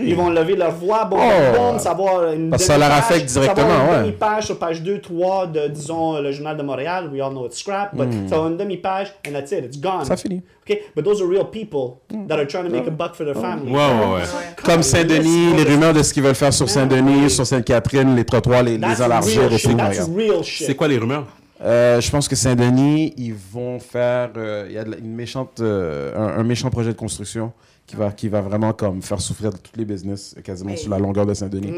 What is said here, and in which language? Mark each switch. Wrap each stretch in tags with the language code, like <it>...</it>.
<fr>Ils vont lever leur voix, bon, savoir une demi-page. Ça leur affecte directement, ouais. Ça va une demi-page sur page 2, 3 de, disons, le Journal de Montréal.</fr> <en>We all know it's crap. But</en> <fr>ça va une demi-page,</fr> <en>and that's it. It's gone.</en> <fr>Ça finit.</fr> <en>Okay? But those are real people that are trying to make a buck for their family.</en> <fr>Ouais. Comme Saint-Denis, les rumeurs de ce qu'ils veulent faire sur Saint-Denis, sur Sainte-Catherine, les trottoirs, les élargir et tout.</fr> <en>That's real shit.</en> <fr>C'est quoi les rumeurs? Je pense que Saint-Denis, ils vont faire, un méchant projet de construction qui va vraiment comme faire souffrir de toutes les business quasiment sur la longueur de Saint-Denis.</fr>